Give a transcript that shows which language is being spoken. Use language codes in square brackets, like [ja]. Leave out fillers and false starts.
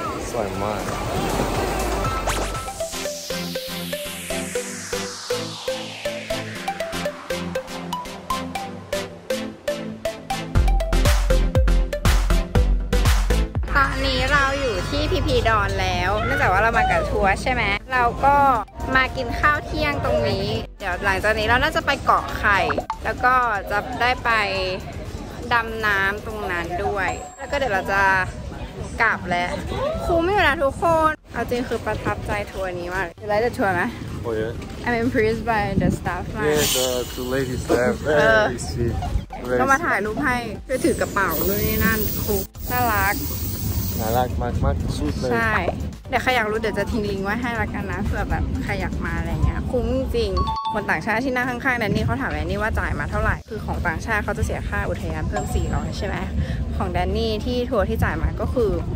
[th] ตอนนี้เราอยู่ที่พีพีดอนแล้วเนื่องจากว่าเรามากับทัวร์ใช่ไหมเราก็มากินข้าวเที่ยงตรงนี้เดี๋ยวหลังจากนี้เราน่าจะไปเกาะไข่แล้วก็จะได้ไป ดำน้ำตรงนั้นด้วยแล้วก็เดี๋ยวเราจะกลับแล้วคุ้มอยู่นะทุกคนเอาจริงคือประทับใจทัวร์นี้มากไลท์เดอะทัวร์ไหม โอ้ย yeah. [en] I'm impressed by the staff man yeah the two ladies staff very sweet [th] ก็มาถ่ายรูปให้ช่วยถือกระเป๋าด้วยนั่นคุ้มน่ารัก น่ารักมากมากสุดเลย ใช่เดี๋ยวใครอยากรู้เดี๋ยวจะทิ้งลิงก์ไว้ให้ละกันนะเผื่อแบบใครอยากมาอะไรเงี้ยคุ้มจริงคนต่างชาติที่นั่งข้างๆนันนี่เขาถามแดนนี่ว่าจ่ายมาเท่าไหร่คือของต่างชาติเขาจะเสียค่าอุทยานเพิ่ม400ใช่ไหมของแดนนี่ที่ทัวร์ที่จ่ายมาก็คือ